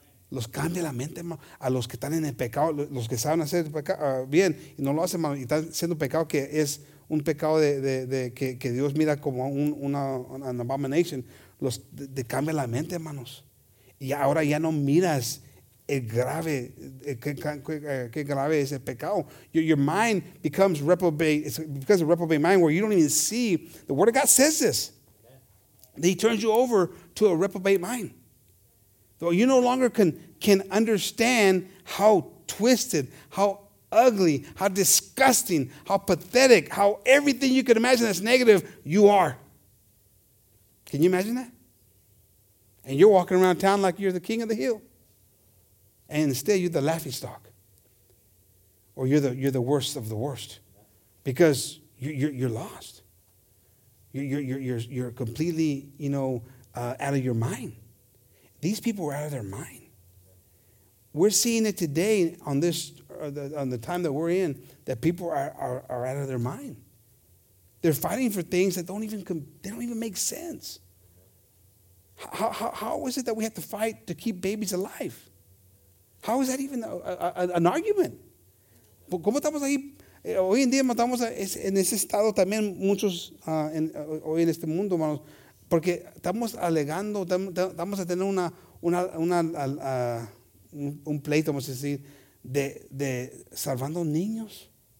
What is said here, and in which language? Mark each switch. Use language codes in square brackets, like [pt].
[es] Los cambia la mente, hermanos, a los que están en el pecado, los que saben hacer el pecado bien y no lo hacen, hermanos, y están siendo pecado que es un pecado que Dios mira como [en] an abomination. [es] Los te cambia la mente, hermanos. Y ahora ya no miras qué grave es el pecado. [en] Your mind becomes reprobate. It's because of reprobate mind where you don't even see. The Word of God says this. He turns you over to a reprobate mind. So you no longer can understand how twisted, how ugly, how disgusting, how pathetic, how everything you could imagine that's negative, you are. Can you imagine that? And you're walking around town like you're the king of the hill. And instead, you're the laughingstock. Or you're the worst of the worst. Because you're lost. You're completely, you know, out of your mind. These people were out of their mind. We're seeing it today on this on the time that we're in, that people are out of their mind. They're fighting for things that don't even make sense. How is it that we have to fight to keep babies alive? How is that even an argument? [es] ¿Cómo estamos ahí? Hoy en día estamos en ese estado también muchos hoy en este mundo, hermanos, porque estamos alegando, vamos a tener un pleito, vamos a decir, de salvando niños.